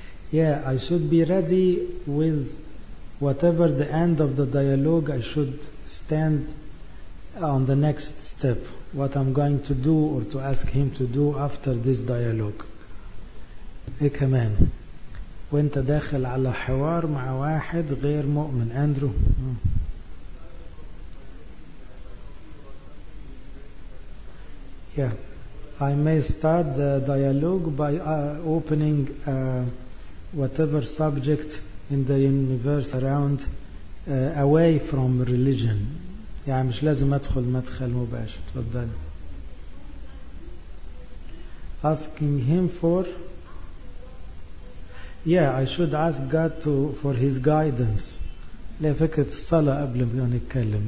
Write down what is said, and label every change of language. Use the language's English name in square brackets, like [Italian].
[English] Yeah, I should be ready with whatever the end of the dialogue. I should stand on the next step, what I'm going to do or to ask him to do after this dialogue. Hey, come on. [Arabic] وانت داخل على حوار مع واحد غير مؤمن. [English] Andrew. Yeah. I may start the dialogue by opening whatever subject in the universe around away from religion. [Arabic] يعني مش لازم أدخل مدخل مباشر. تفضل. [English] Asking him for I should ask God to for his guidance. [Arabic] لا فكرة الصلاة قبل ما نتكلم.